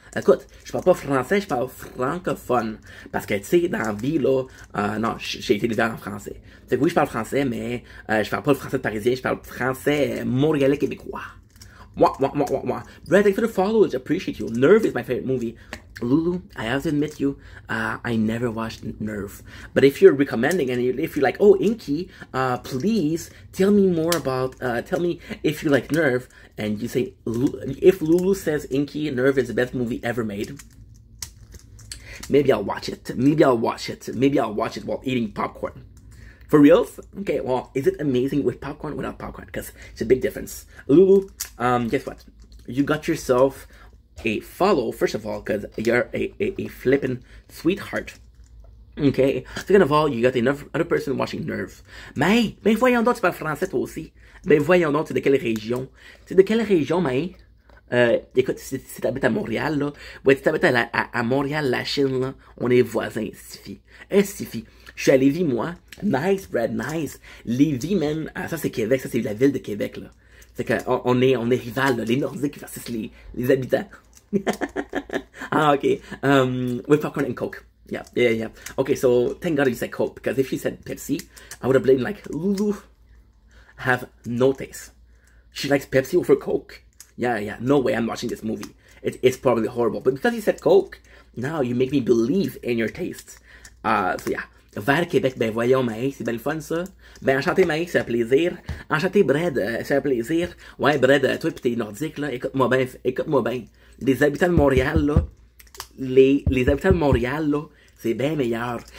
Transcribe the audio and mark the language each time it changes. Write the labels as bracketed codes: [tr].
[fr] Écoute, je parle pas français, je parle francophone. Parce que, tu sais, dans la vie, là, non, j'ai été élevé en français. Fait que oui, je parle français, mais je parle pas le français parisien, je parle français montréalais québécois. [en] Moi. Brad, thanks for the followers, appreciate you. Nerve is my favorite movie. Lulu, I have to admit you, I never watched Nerve. But if you're recommending, and if you're like, oh, Inky, please tell me more about, tell me if you like Nerve. And you say, if Lulu says Inky, Nerve is the best movie ever made, maybe I'll watch it while eating popcorn. For reals? Okay, well, is it amazing with popcorn or without popcorn? Because it's a big difference. Lulu, guess what? You got yourself a follow, first of all, because you're a flippin' sweetheart. Okay. Second of all, you got another person watching Nerve. [fr] Mais, ben voyons donc, tu parles français toi aussi. Ben voyons donc, tu es de quelle région, mais? Écoute, si t'habites à Montréal, là, ouais, si t'habites à Montréal, la Chine, là, on est voisins, Sifi. Hein, Sifi? Je suis à Lévis, moi. [en] Nice, Brad, nice. [fr] Lévis, man, ça, c'est Québec, ça, c'est la ville de Québec, là. C'est qu'on est rivales, là, les Nordiques versus les habitants. [en] Ah, ok. With popcorn and coke. Yeah. Okay, so, thank God you said coke, because if you said Pepsi, I would have been like, ooh, have no taste. She likes Pepsi over coke. Yeah, no way I'm watching this movie. It's probably horrible. But because you said coke, now you make me believe in your taste. So yeah. [fr] Vers Québec, ben voyons, Maï, c'est bien le fun, ça. Ben enchanté, Maï, c'est un plaisir. Enchanté, Brad, c'est un plaisir. Ouais, Brad, toi pis t'es nordique, là, écoute-moi bien. Les habitants de Montréal, là, c'est bien meilleur.